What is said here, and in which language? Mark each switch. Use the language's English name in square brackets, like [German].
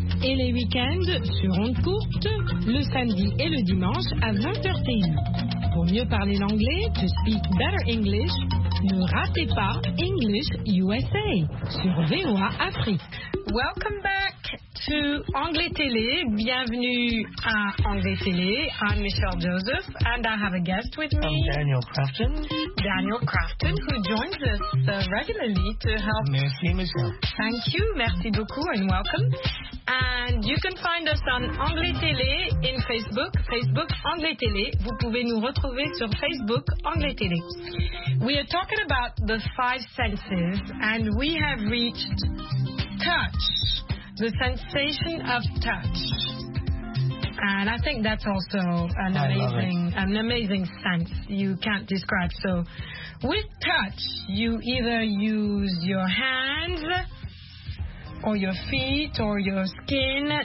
[French] Et les week-ends sur Onde Courte, le samedi et le dimanche à 20h30. Pour mieux parler l'anglais, [English] to speak better English, [French] ne ratez pas English USA sur VOA Afrique. [English] Welcome back to Anglais Télé. [French] Bienvenue à Anglais Télé. [English] I'm Michelle Joseph and I have a guest with me. I'm Daniel Crafton. Daniel Crafton, who joins us regularly to help. [French] Merci, Michelle. [English] Thank you. [French] Merci beaucoup [English] and welcome. And you can find us on Anglais Télé in Facebook, Facebook Anglais Télé. [French] Vous pouvez nous retrouver sur Facebook Anglais Télé. [English] We are talking about the five senses and we have reached touch, the sensation of touch. And I think that's also an amazing sense you can't describe. So with touch, you either use your hands or your feet or your skin.